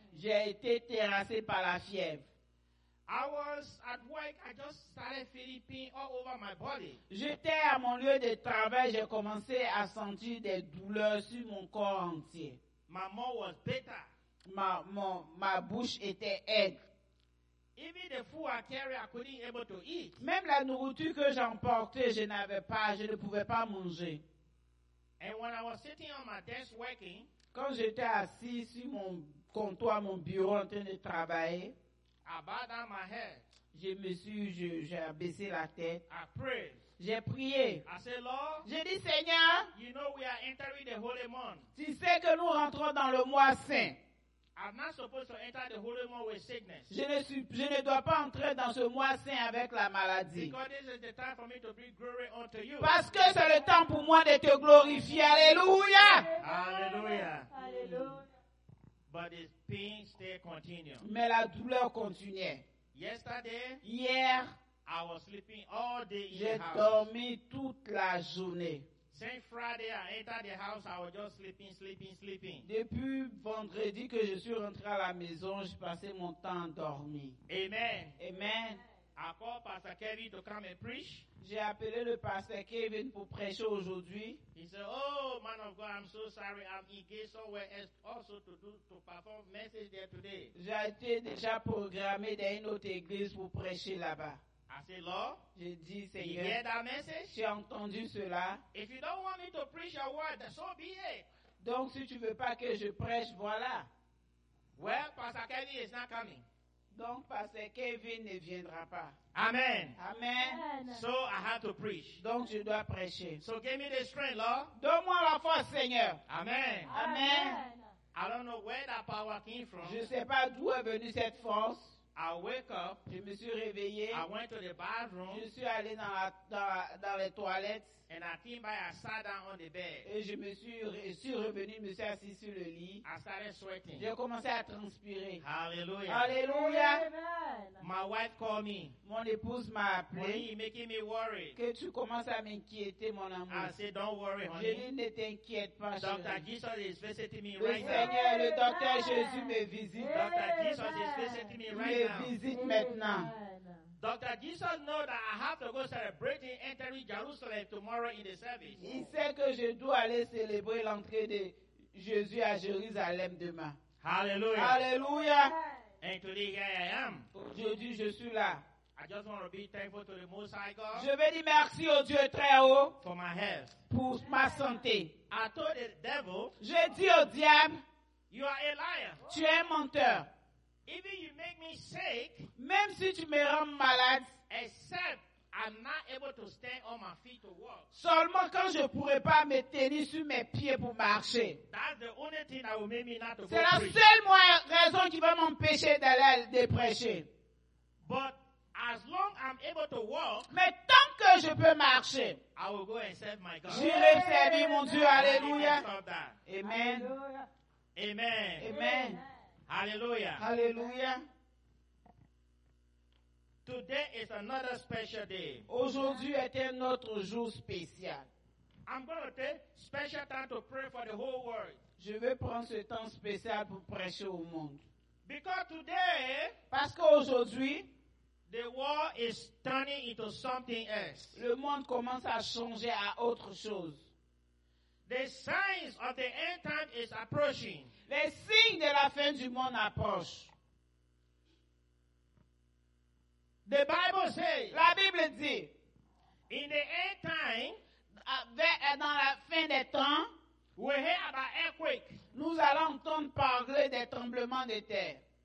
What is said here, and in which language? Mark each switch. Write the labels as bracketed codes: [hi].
[fr] J'ai été terrassé par la fièvre. [en] I was at work, I just started feeling pain all over my body. [fr] J'étais à mon lieu de travail, j'ai commencé à sentir des douleurs sur mon corps entier. [en] My mouth was bitter. [fr] Ma bouche était aigre. [en] Even the food I carry, I couldn't able to eat. [fr] Même la nourriture que j'emportais, je ne pouvais pas manger. [en] And when I was sitting on my desk working, [fr] quand j'étais assis sur mon comptoir, mon bureau en train de travailler, [en] I bowed down my head. [fr] J'ai baissé la tête. [en] I prayed. [fr] J'ai prié. J'ai dit, Seigneur, [en] you know we are entering the holy month. [fr] Tu sais que nous rentrons dans le mois saint. [en] I'm not supposed to enter the holy month with sickness. [fr] Je ne dois pas entrer dans ce mois saint avec la maladie. Parce que c'est le temps pour moi de te glorifier. Alléluia. Alléluia. Alléluia. Mais la douleur continuait. [en] Yesterday, [fr] hier, [en] I was sleeping all day in [fr] j'ai [en] the house. [fr] Dormi toute la journée. [en] Since Friday, I entered the house, I was just sleeping. [fr] Depuis vendredi que je suis rentré à la maison, j'ai passé mon temps endormi. Amen. Amen. [en] I called Pastor Kevin to come and preach. [fr] J'ai appelé le pasteur Kevin pour prêcher aujourd'hui. [en] He said, oh, man of God, I'm so sorry. I'm engaged somewhere else also to perform message there today. [fr] J'ai été déjà programmé dans une autre église pour prêcher là-bas. [en] I said, Lord, [fr] je dis, Seigneur, [en] you hear that message? [fr] J'ai entendu cela. [en] If you don't want me to preach your word, so be it. [fr] Donc, si tu ne veux pas que je prêche, voilà. [en] Well, Pastor Kevin is not coming. [fr] Donc, Pastor Kevin ne viendra pas. Amen. Amen. [en] So, I have to preach. [fr] Donc, je dois prêcher. [en] So, give me the strength, Lord. [fr] Donne-moi la force, Seigneur. Amen. Amen. [en] I don't know where that power came from. [fr] Je ne sais pas d'où est venue cette force. [en] I wake up. [fr] Je me suis réveillé. [en] I went to the bathroom. [fr] Je suis allé dans les toilettes. [en] And I came by. I sat down on the bed. [fr] Et je me suis revenu. Je me suis assis sur le lit. [en] I started sweating. [fr] J'ai commencé à transpirer. Hallelujah. Hallelujah. [en] My wife called me. [fr] Mon épouse m'a appelé. [en] Honey, you're making me worry. [fr] Que tu commences à m'inquiéter, mon amour. [en] I said, don't worry, honey. [fr] Je dis, ne t'inquiète pas, chérie. [en] Doctor Jesus is visiting me [fr] le [en] right [fr] Seigneur, [en] now. [fr] Le docteur Jésus me visite. [en] Doctor Jesus is visiting me right now. [fr] Visite maintenant. [en] Dr. Jesus knows that I have to go celebrate entering Jerusalem tomorrow in the service. [fr] Il sait que je dois aller célébrer l'entrée de Jésus à Jérusalem demain. Hallelujah. Hallelujah. [en] And today here I am. [fr] Aujourd'hui, je suis là. [en] I just want to be thankful to the Most High God. [fr] Je veux dire merci au Dieu très haut. [en] For my health. [fr] Pour ma santé. [en] I told the devil. [fr] Je dis au diable. [en] You are a liar. [fr] Tu es un menteur. [en] Even you make me sick. [fr] Même si tu me rends malade. [en] Except I'm not able to stand on my feet to walk. [fr] Seulement quand je pourrai pas me tenir sur mes pieds pour marcher. [en] That's the only thing that will make me not to. [fr] C'est la seule raison qui va m'empêcher d'aller de prêcher. [en] But as long as I'm able to walk, [fr] mais tant que je peux marcher, [en] I will go and serve my God. [fr] J'irai servir mon Dieu. Alléluia. Amen. Amen. Amen. Alléluia. Alléluia. [en] Today is another special day. [fr] Aujourd'hui est un autre jour spécial. [en] I'm going to take special time to pray for the whole world. [fr] Je vais prendre ce temps spécial pour prêcher au monde. [en] Because today, [fr] parce qu'aujourd'hui, [en] the world is turning into something else. [fr] Le monde commence à changer à autre chose. [en] The signs of the end time is approaching. [fr] Les signes de la fin du monde approchent. [en] The Bible says. [fr] La Bible dit. [en] In the end time, [fr] dans la fin des temps, [en] we hear about earthquake. [fr] Nous allons entendre parler des tremblements de terre.